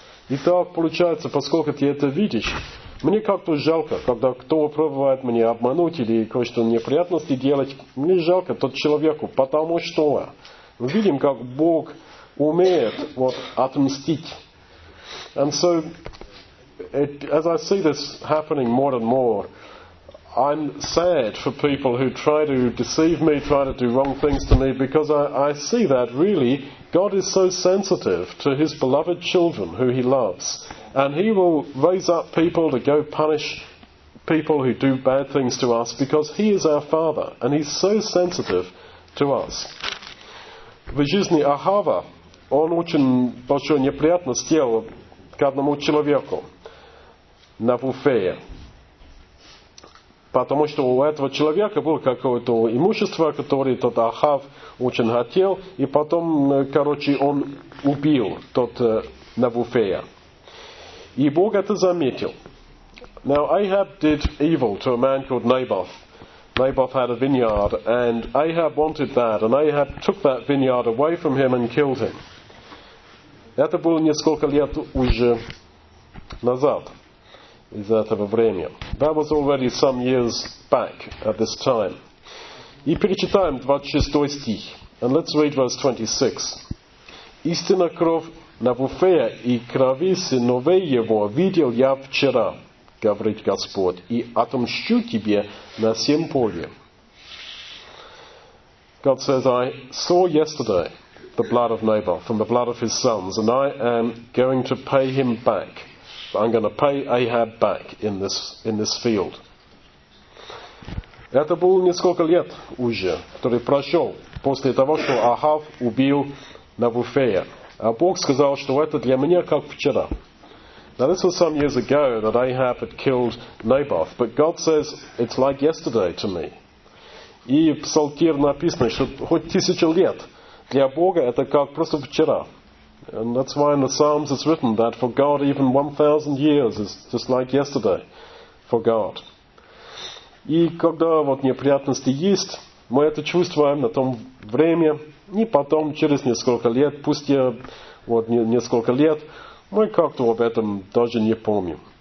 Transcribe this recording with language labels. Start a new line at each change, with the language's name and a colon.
Russian: И так получается, поскольку ты это видишь, мне как-то жалко, когда кто пробует меня обмануть или кое-что неприятности делать, мне жалко тот человеку, потому что мы видим, как Бог умеет вот, отмстить.
English: And so, as I see this happening more and more, I'm sad for people who try to deceive me, try to do wrong things to me, because I see that really God is so sensitive to his beloved children who he loves. And he will raise up people to go punish people who do bad things to us because he is our father and he's so sensitive to us.
Russian: В жизни Ахава он очень большую неприятность сделал к одному человеку, Навуфея. Потому что у этого человека было какое-то имущество, которое тот Ахав очень хотел. И потом, короче, он убил тот Навуфея. И Бог это заметил.
English: Now, Ahab did evil to a man called Naboth. Naboth had a vineyard, and Ahab wanted that. And Ahab took that vineyard away from him and killed him.
Russian: Это было несколько лет уже назад. Из этого времени.
English: That was already some years back at this time.
Russian: И перечитаем 26 стих.
English: And let's read verse 26.
Russian: Истинно кровь Навуфея и крови сыновей его видел я вчера, говорит Господь, и отомщу тебе на сем поле.
English: God says, I saw yesterday the blood of Naboth and the blood of his sons, and I am going to pay him back. I'm going to pay Ahab back in this field.
Russian: Это было несколько лет уже, который прошел после того, что Ахав убил Навуфея. А Бог сказал, что это для меня как вчера.
English: Now this was some years ago that Ahab had killed Naboth, but God says it's like yesterday to me.
Russian: И в Псалтире написано, что хоть тысячу лет для Бога это как просто вчера.
English: And that's why in the Psalms it's written that for God even 1,000 years is just like yesterday for God.
Russian: И когда вот неприятности есть, мы это чувствуем на том время, И потом, через несколько лет, пусть вот несколько лет, мы как-то об этом даже не помним.